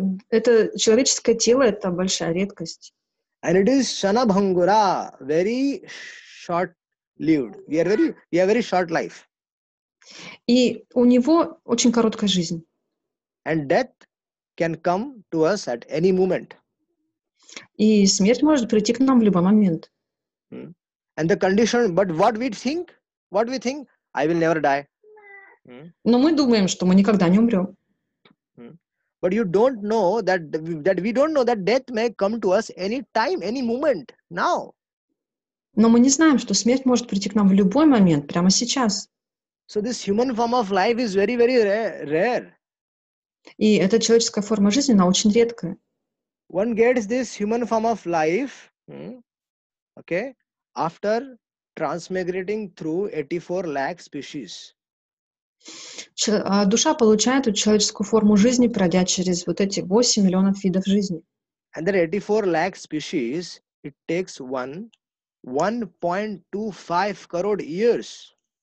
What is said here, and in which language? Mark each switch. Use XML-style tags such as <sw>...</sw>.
<ru>Это человеческое тело, это большая редкость.</ru> <en>And it is shana bhangura, very short-lived. We are very short life.</en> <ru>И у него очень короткая жизнь.</ru> <en>And death can come to us at any moment.</en> <ru>И смерть может прийти к нам в любой момент.</ru> <en>And the condition, but what we think? What we think? I will never die.</en> <ru>Но мы думаем, что мы никогда не умрем.</ru> <en>But you don't know that we don't know that death may come to us any time, any moment, now.</en> <ru>Но мы не знаем, что смерть может прийти к нам в любой момент, прямо сейчас.</ru> <en>So this human form of life is very, very rare.</en> <ru>И эта человеческая форма жизни, она очень редкая.</ru> <en>One gets this human form of life, okay, after transmigrating through 84 lakh species.</en> <ru>Душа получает эту человеческую форму жизни, пройдя через вот эти 8 миллионов видов жизни.</ru> <en>And there are 84 lakh species, it takes 1.25 crore years.</en>